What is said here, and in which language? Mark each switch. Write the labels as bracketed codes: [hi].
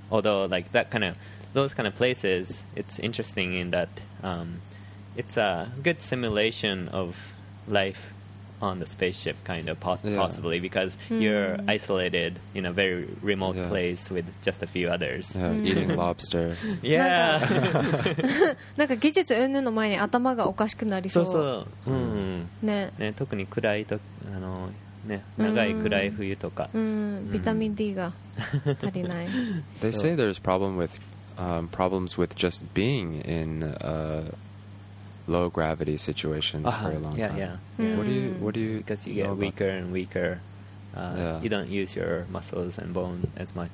[en] Although, like, those kind of places, it's interesting in that it's a good simulation of life on the spaceship, kind of, possibly, because you're isolated in a very remote place with just a few others. Yeah, eating lobster. Yeah. [ja] なんか技術云々の前に頭がおかしくなりそう。そうそう。ね。ね、特に暗いと、あの、ね、長い暗い冬とか、ビタミン D が足りない。 [en] They say there's problems with just being in a low gravity situation for a long time. What do you because you get weaker and weaker. You don't use your muscles and bone as much.